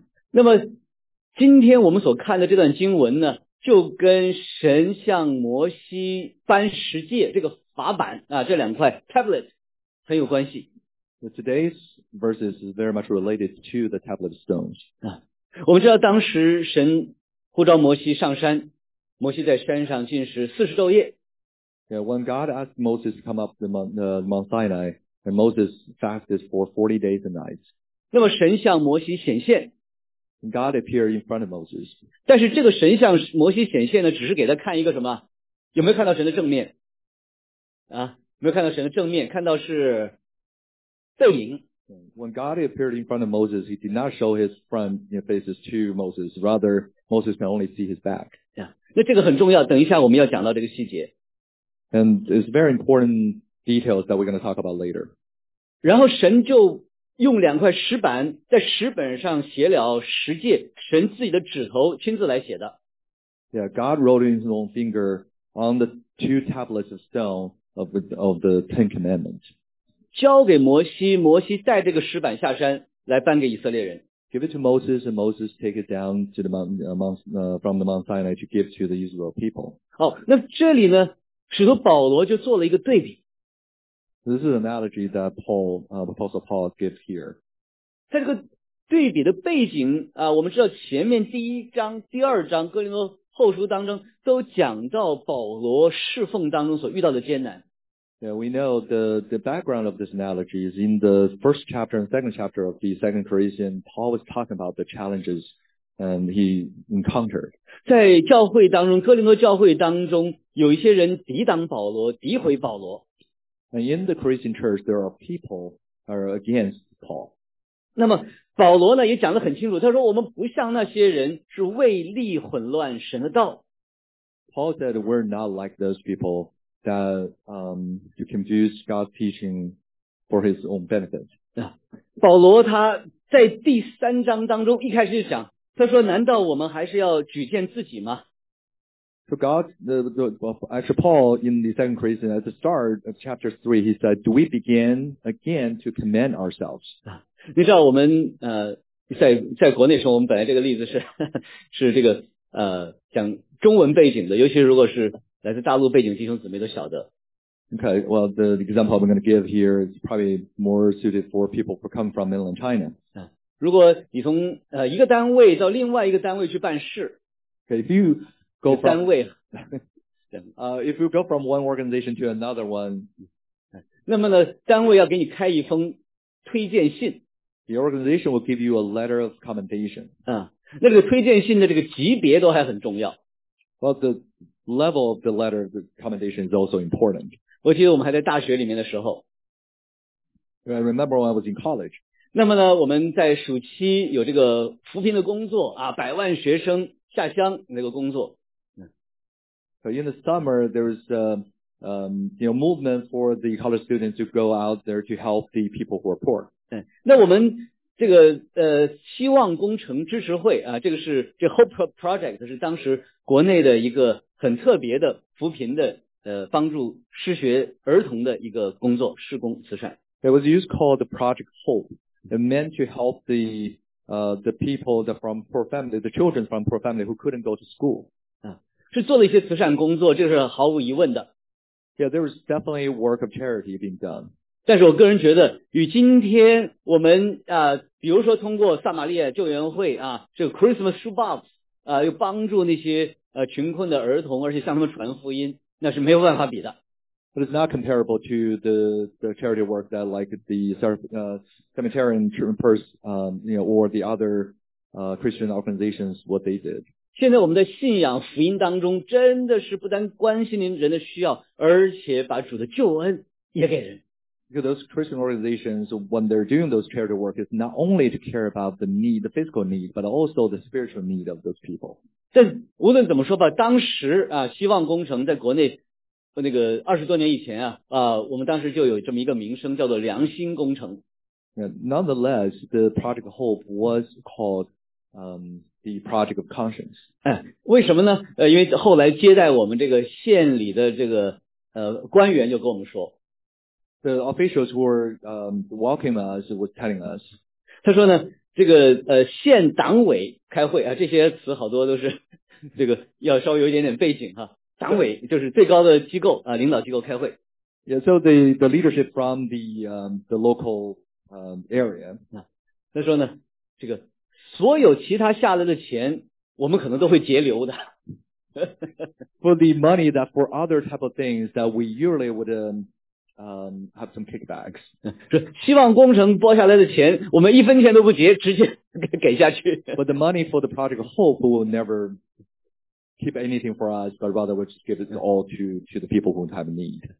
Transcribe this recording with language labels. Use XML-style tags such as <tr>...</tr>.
<zh>那么今天我们所看的这段经文呢，就跟神向摩西颁十诫这个法版啊，这两块 tablet 很有关系。</zh> <en>Today's verses is very much related to the tablet stones.</en> <zh>我们知道当时神呼召摩西上山，摩西在山上禁食40昼夜。</zh> <en>Yeah, when God asked Moses to come up the Mount Sinai,And Moses fasted for 40 days and nights.</en> <zh>那么神向摩西显现。</zh> <en>God appeared in front of Moses.</en> <zh>但是这个神向摩西显现呢，只是给他看一个什么？有没有看到神的正面？啊，没有看到神的正面，看到是背影。</zh> <en>When God appeared in front of Moses, he did not show his front faces to Moses. Rather, Moses can only see his back.</en> <zh>那这个很重要，等一下我们要讲到这个细节。</zh> <en>And it's very important. Details that we're going to talk about later.</en> <zh>然后神就用两块石板在石板上写了十诫，神自己的指头亲自来写的。</zh> <en>Yeah, God wrote in his own finger on the two tablets of stone of the Ten Commandments.</en> <zh>交给摩西，摩西带这个石板下山来颁给以色列人。</zh> <en>Give it to Moses, and Moses take it down to the from the Mount Sinai to give to the Israel people.</en> <zh>好，那这里呢，使徒保罗就做了一个对比。</zh> <en>This is an analogy that Apostle Paul gives here.</en> <zh>在这个对比的背景啊，我们知道前面第一章、第二章哥林多后书当中都讲到保罗侍奉当中所遇到的艰难。</zh> <en>Yeah, we know the background of this analogy is in the first chapter and second chapter of the Second Corinthians. Paul was talking about the challenges and he encountered.</en> <zh>在教会当中，哥林多教会当中有一些人抵挡保罗，诋毁保罗。</zh> <en>And in the Christian church, there are people who are against Paul.</en> <zh>那么保罗呢也讲得很清楚，他说我们不像那些人，是为利混乱神的道。</zh> <en>Paul said we're not like those people that, to confuse God's teaching for his own benefit.</en> <zh>保罗他在第三章当中一开始就讲，他说难道我们还是要举荐自己吗？</zh> <en>So God, Paul in the second Corinthians at the start of chapter 3, he said, do we begin again to commend ourselves?</en> <zh>你知道我们在国内时候我们本来这个例子是这个讲中文背景的，尤其如果是来自大陆背景弟兄姊妹都晓得。</zh> <en>Okay, well, the example I'm going to give here is probably more suited for people who come from mainland China.</en> <zh>如果你从一个单位到另外一个单位去办事。</zh> <en>Okay, if you,Go from,</en> <zh>单位</zh> <en>if you go from one organization to another one,</en> <zh>那么呢，单位要给你开一封推荐信。</zh> <en>The organization will give you a letter of commendation.</en> <zh>那这个推荐信的这个级别都还很重要。</zh> <en>Well, the level of the letter of the commendation is also important.</en> <zh>我记得我们还在大学里面的时候。</zh> <en>I remember when I was in college.</en> <zh>那么呢，我们在暑期有这个扶贫的工作啊，百万学生下乡那个工作。</zh> <en>So in the summer, there's movement for the college students to go out there to help the people who are poor.</en> <zh>那我们这个希望工程支持会啊，这个是这 Hope Project 是当时国内的一个很特别的扶贫的帮助失学儿童的一个工作，施工慈善。</zh> <en>It was used called the Project Hope. It meant to help the people that from poor family, the children from poor family who couldn't go to school.</en> <zh>是做了一些慈善工作，这是毫无疑问的。</zh> <en>Yeah, there was definitely work of charity being done.</en> <zh>但是我个人觉得，与今天我们比如说通过撒玛利亚救援会啊，这个 Christmas shoebox 又帮助那些穷困的儿童，而且向他们传福音，那是没有办法比的。</zh> <en>But it's not comparable to the charity work that like the cemetery and children purse, or the other, Christian organizations, what they did.</en> <zh>现在我们的信仰福音当中真的是不单关心您人的需要，而且把主的救恩也给人。</zh> <en>Because those Christian organizations, when they're doing those charity work, it's not only to care about the need, the physical need, but also the spiritual need of those people.</en> <zh>但无论怎么说吧，当时啊，希望工程在国内那个二十多年以前我们当时就有这么一个名声叫做良心工程。</zh> <en>Yeah, nonetheless, the Project Hope was called, the Project of Conscience.</en> <zh>为什么呢因为后来接待我们这个县里的这个官员就跟我们说。</zh> <en>The officials who were, welcoming us were telling us.</en> <zh>他说呢这个县党委开会这些词好多都是这个要稍微有一点点背景哈。党委就是最高的机构领导机构开会。</zh> <en>Yeah, so the leadership from the local area.</en> <zh>他说呢这个所有其他下来的钱我们可能都会截留的。</zh> <en>For the money that for other type of things that we usually would have some kickbacks.</en> <zh>希望工程拨下来的钱我们一分钱都不截直接 给下去。</zh> <en>But the money for the Project Hope will never keep anything for us, but rather we just give it all to the people who have need.</en>